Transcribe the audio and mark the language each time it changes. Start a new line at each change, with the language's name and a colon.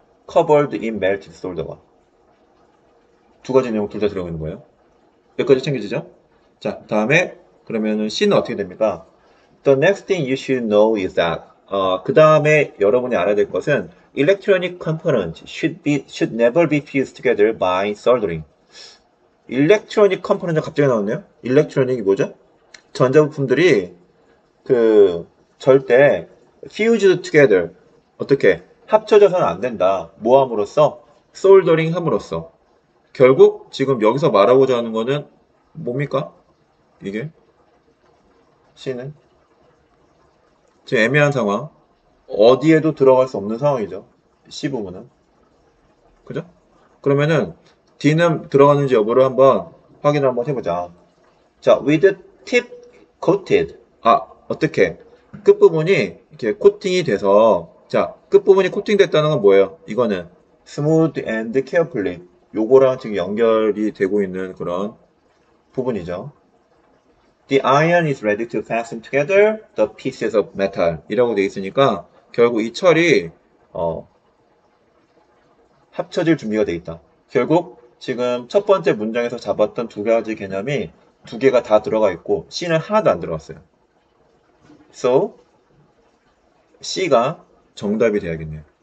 English: Covered in melted solder
Korean: 가 두 가지 내용 둘다 들어가 있는 거예요. 여기까지 챙겨지죠? 자, 다음에 그러면은 C는 어떻게 됩니까?
English: The next thing you should know is that
Korean: 그 다음에 여러분이 알아야 될 것은
English: electronic components should never be fused together by soldering.
Korean: electronic components가 갑자기 나왔네요. electronic이 뭐죠? 전자부품들이 절대
English: fused together
Korean: 어떻게 합쳐져서는 안 된다. 뭐 함으로써? soldering 함으로써. 결국 지금 여기서 말하고자 하는 거는 뭡니까? 이게 C는 지금 애매한 상황. 어디에도 들어갈 수 없는 상황이죠. C 부분은. 그죠? 그러면은 D는 들어가는지 여부를 한번 확인을 한번 해보자. 자,
English: with tip coated.
Korean: 어떻게? 끝부분이 이렇게 코팅이 돼서, 자, 끝부분이 코팅됐다는 건 뭐예요? 이거는
English: smooth and carefully.
Korean: 요거랑 지금 연결이 되고 있는 그런 부분이죠.
English: The iron is ready to fasten together the pieces of metal.
Korean: 이라고 되어 있으니까, 결국 이 철이, 합쳐질 준비가 되어 있다. 결국, 지금 첫 번째 문장에서 잡았던 두 가지 개념이 두 개가 다 들어가 있고, C는 하나도 안 들어갔어요. So, C가 정답이 되어야겠네요.